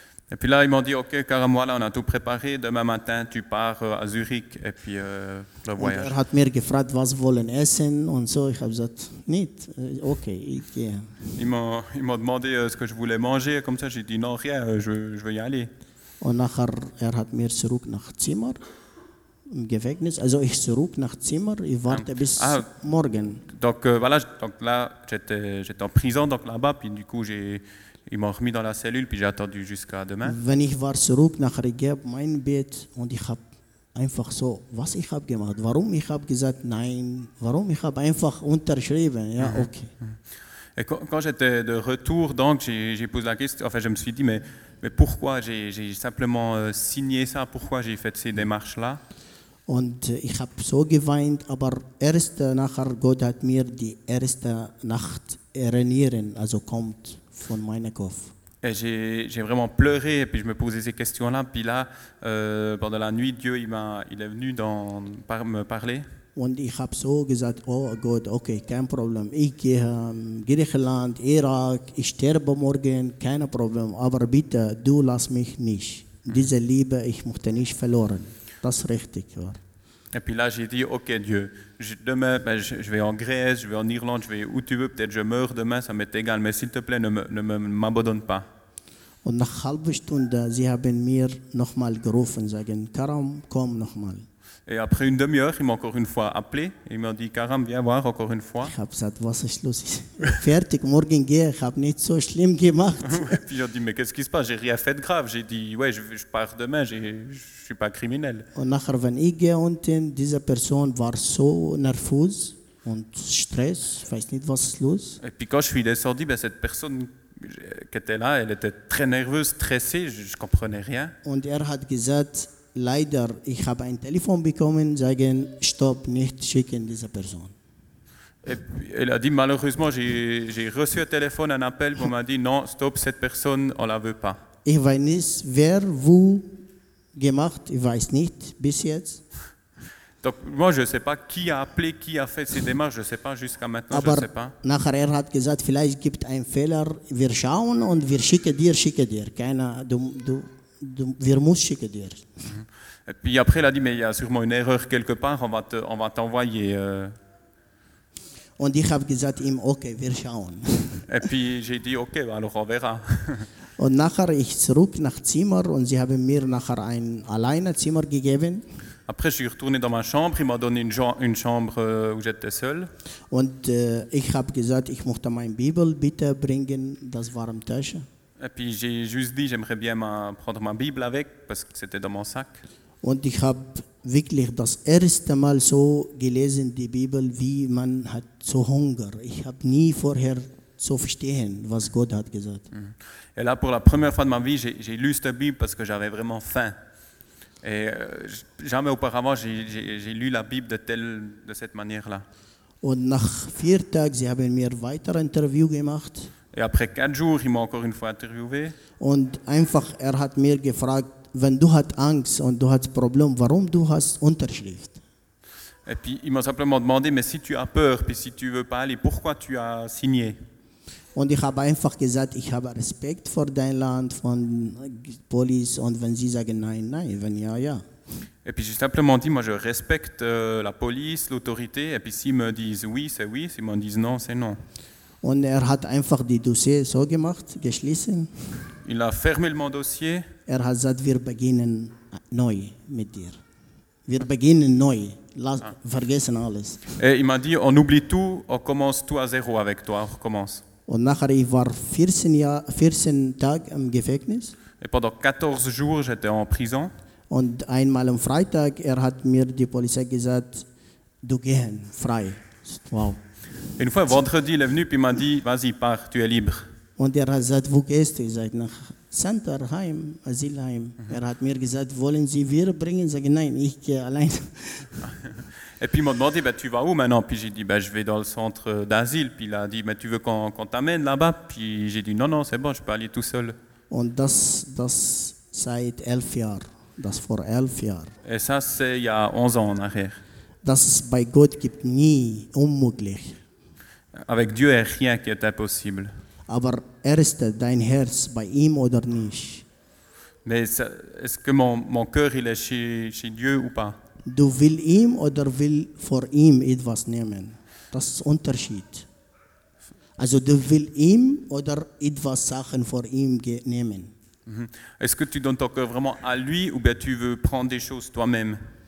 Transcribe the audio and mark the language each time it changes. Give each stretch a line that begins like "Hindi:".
French: Et puis là, ils m'ont dit, ok, Karam, voilà, on a tout préparé, demain matin, tu pars à Zurich, et puis le voyage.
German: Er hat mir gefragt, was wollen essen, und so, ich habe gesagt, nicht, ok, ich gehe.
French: Ils m'ont demandé ce que je voulais manger, comme ça, j'ai dit, non, rien, je veux y aller.
German: Und nachher, er hat mir zurück nach Zimmer, im Gefängnis, also ich zurück nach Zimmer, ich warte bis morgen.
French: Donc voilà, donc là j'étais en prison donc là-bas puis du coup ils m'ont remis dans la cellule puis j'ai attendu jusqu'à demain.
German: Wenn ich war zurück nach Regeb mein Bett und ich habe einfach so was ich habe gemacht, warum ich habe gesagt nein, warum ich habe einfach unterschrieben, ja okay.
French: Et quand j'étais de retour donc j'ai posé la question, enfin je me suis dit mais pourquoi j'ai simplement signé ça, pourquoi j'ai fait ces démarches là?
German: Und ich habe so geweint, aber erst nachher, Gott hat mir die erste Nacht erinnern, also kommt von meinem Kopf.
French: Et j'ai vraiment pleuré, et puis je me posais ces questions-là, puis là, pendant la nuit, Dieu il est venu me parler.
German: Und ich habe so gesagt, oh Gott, okay, kein Problem, ich gehe Griechenland, Irak, ich sterbe morgen, kein Problem, aber bitte, du lass mich nicht, diese Liebe, ich möchte nicht verloren. Das richtig war.
French: Et puis là, j'ai dit, ok Dieu, demain, ben, je vais en Grèce, je vais en Irlande, je vais où tu veux, peut-être je meurs demain, ça m'est égal, mais s'il te plaît, ne m'abandonne pas.
German: Und nach halbe Stunde, sie haben mir nochmal gerufen, sagen, Karam, komm nochmal.
French: Et après une demi-heure, ils m'ont encore une fois appelé, ils m'ont dit, Karam, viens voir encore une fois.
German: Ich habe gesagt, was ist los? Fertig, morgen gehe, ich habe nicht so schlimm gemacht.
French: Et puis j'ai dit, mais qu'est-ce qui se passe? J'ai rien fait de grave. J'ai dit, ouais, je pars demain, je suis pas criminel.
German: Und nachher, wenn ich gehe unten, diese Person war so nervös und Stress, weiß nicht, was ist los.
French: Et puis quand je suis descendu, ben, cette personne qui était là, elle était très nerveuse, stressée, je comprenais rien.
German: Und er hat gesagt, leider, ich habe ein Telefon bekommen, sagen, stopp, nicht schicken diese Person.
French: Elle a dit, malheureusement, j'ai reçu un téléphone, un appel, wo m'a dit, non, stopp, cette personne, on la veut pas.
German: Ich weiß nicht, wer vous gemacht, ich weiß nicht, bis jetzt.
French: Donc, moi, je sais pas qui a appelé, qui a fait ces démarches, je sais pas, jusqu'à maintenant,
German: aber
French: je sais pas.
German: Nachher, er hat gesagt, vielleicht gibt ein Fehler, wir schauen und wir schicken dir, keiner, du, wir müssen schicken dir.
French: Et puis après, il a dit, mais il y a sûrement une erreur quelque part, on va t'envoyer.
German: Und ich habe gesagt ihm, okay, wir schauen.
French: Et puis j'ai dit, okay, alors on verra.
German: Und nachher ich zurück nach Zimmer und sie haben mir nachher ein alleine Zimmer gegeben.
French: Après, je suis retourné dans ma chambre, il m'a donné une chambre où j'étais seul.
German: Und ich habe gesagt, ich möchte meine Bibel bitte bringen, das war im Tasche.
French: Et puis j'ai juste dit, j'aimerais bien prendre ma Bible avec, parce que c'était dans mon sac.
German: Und ich habe wirklich das erste Mal so gelesen, die Bibel, wie man hat so Hunger. Ich habe nie vorher so verstehen, was Gott hat gesagt.
French: Et là, pour la première fois de ma vie, j'ai lu cette Bible parce que j'avais vraiment faim. Et jamais auparavant, j'ai lu la Bible de cette manière-là.
German: Und nach vier Tagen, sie haben mir weitere Interview gemacht.
French: Et après quatre jours, il m'a encore une fois interviewé.
German: Und einfach, hat mir gefragt, wenn du hast Angst und du hast Problem, warum du hast Unterschrift?
French: Et puis, il m'a simplement demandé, mais si tu as peur, puis si tu veux pas aller, pourquoi tu as signé?
German: Und ich habe einfach gesagt, ich habe Respekt vor dein Land, von Police, und wenn sie sagen nein, nein, wenn ja, ja.
French: Et puis j'ai simplement dit, moi je respecte la police, l'autorité, et puis s'ils me disent oui, c'est oui, s'ils me disent non, c'est non.
German: Und hat einfach die Dossier so gemacht, geschlossen.
French: Il a fermé mon dossier.
German: Hat gesagt, wir beginnen neu mit dir. Wir beginnen neu. Vergessen alles.
French: Et il m'a dit, on oublie tout, on commence tout à zéro avec toi, on recommence.
German: Und nachher ich war 14 Tage im Gefängnis.
French: Et pendant 14 jours, j'étais en prison.
German: Und einmal am Freitag, hat mir die Polizei gesagt, du gehen frei. Wow.
French: Et une fois, vendredi, il est venu, puis il m'a dit, vas-y, pars, tu es libre.
German: Und hat gesagt, wo gehst du? Ich sage, nach Centerheim, Asylheim. Mm-hmm. Hat mir gesagt, wollen Sie wir bringen? Ich sage, nein, ich gehe allein.
French: Et puis il m'a demandé, tu vas où maintenant? Puis j'ai dit, je vais dans le centre d'asile. Puis il a dit, tu veux qu'on t'amène là-bas? Puis j'ai dit, non, c'est bon, je peux aller tout seul.
German: Und das seit 11 Jahren. Das vor 11 Jahren.
French: Et ça, c'est il y a 11 ans en arrière.
German: Das bei Gott gibt nie unmöglich.
French: Avec Dieu, rien qui est impossible.
German: Aber erste dein Herz bei ihm oder nicht?
French: Mais est-ce que mon cœur il est chez Dieu ou pas?
German: Du will ihm oder will vor ihm etwas nehmen? Das ist Unterschied. Also du will ihm oder etwas Sachen vor ihm nehmen? Mm-hmm.
French: Est-ce que tu donnes ton cœur vraiment à lui ou bien tu veux prendre des choses toi-même?